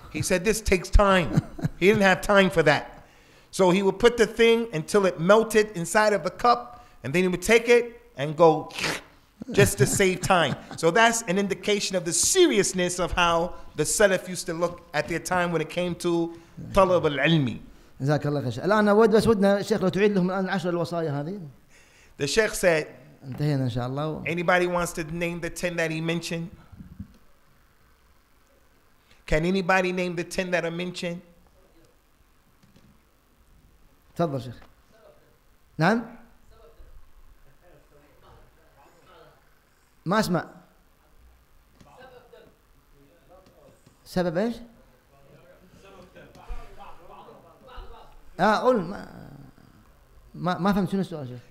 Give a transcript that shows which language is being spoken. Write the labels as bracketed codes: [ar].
[en] He said this takes time. He didn't have time for that. So he would put the thing until it melted inside of the cup, and then he would take it and go just to save time. So that's an indication of the seriousness of how the Salaf used to look at their time when it came to طلب العلم. [ar] جزاك الله خير. الآن أود بس ودنا الشيخ لو تعيد لهم الآن عشر الوصايا هذه. [en] The Sheikh said, [ar] انتهينا إن شاء الله. [en] Anybody wants to name the 10 that he mentioned? Can anybody name the 10 that are mentioned? [ar] تفضل شيخ. نعم؟ ما اسمع سبب ايش؟ قول ما فهمت شنو السؤال.